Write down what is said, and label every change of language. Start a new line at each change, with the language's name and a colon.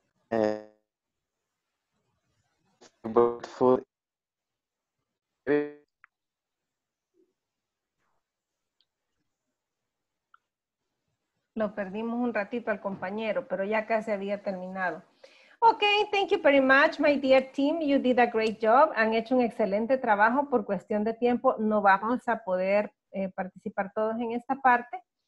English: But food.
Spanish: Lo perdimos un ratito al compañero, pero ya casi había terminado.
English: Ok, thank you very much, my dear team. You did a great job.
Spanish: Han hecho un excelente trabajo. Por cuestión de tiempo, no vamos a poder participar todos en esta parte.